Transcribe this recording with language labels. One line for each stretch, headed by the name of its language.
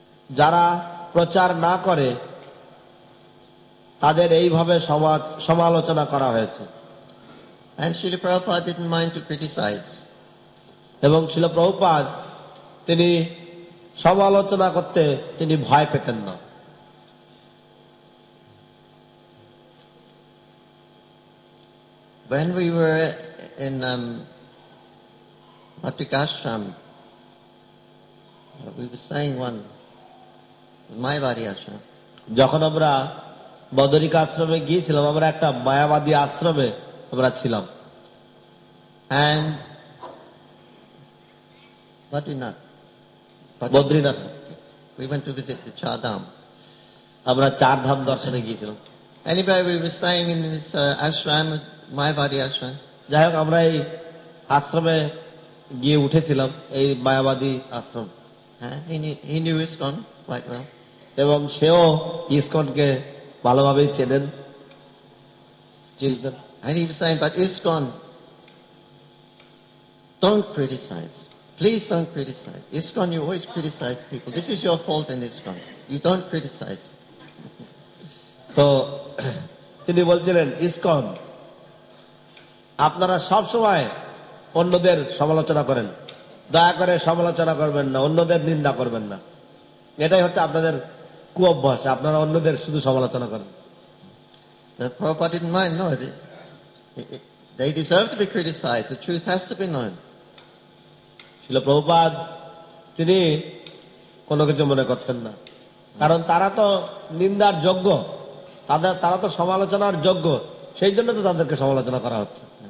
Bangla: যারা প্রচার না করে তাদের এইভাবে সমালোচনা করা হয়েছে।
English: And Srila Prabhupada didn't mind to criticize.
Bangla: এবং Srila Prabhupada তিনি সমালোচনা করতে তিনি ভয় পেতেন না।
English: When we were in Matrikashram, we were staying one, Mayavadi Ashram.
Bangla: যখন আমরা বদরিক আশ্রমে গিয়েছিলাম, আমরা একটা মায়াবাদী আশ্রমে আমরা ছিলাম।
English: And
Bangla: Badrinath,
English: we went to visit the Char Dham.
Bangla: আমরা চার ধাম দর্শনে গিয়েছিলাম।
English: Anyway, we were staying in this ashram, Mayavadi ashram.
Bangla: যাই হোক, আমরা এই আশ্রমে গিয়ে উঠেছিলাম, এই মায়াবাদী আশ্রম।
English: He knew ISKCON quite well.
Bangla: এবং সেও ISKCON কে ভালোভাবে চেনেন।
English: And he was saying, but ISKCON, don't criticize. Please don't criticize. ISKCON, you always criticize people. This is your fault in ISKCON. You don't criticize.
Bangla: তো তিনি বলছিলেন, ISKCON, আপনারা সবসময় অন্যদের সমালোচনা করেন, দয়া করে সমালোচনা করবেন না, অন্যদের নিন্দা করবেন না, এটাই হচ্ছে আপনাদের কুঅভ্যাস, আপনারা অন্যদের শুধু সমালোচনা করেন।
English: The Prabhupada didn't mind, no, they deserve to be criticized, the truth has to be known.
Bangla: শিল প্রভুপাদ তিনি কোনো কিছু মনে করতেন না, কারণ তারা তো নিন্দার যোগ্য, তারা তো সমালোচনার যোগ্য, সেই জন্য তো তাদেরকে সমালোচনা করা হচ্ছে।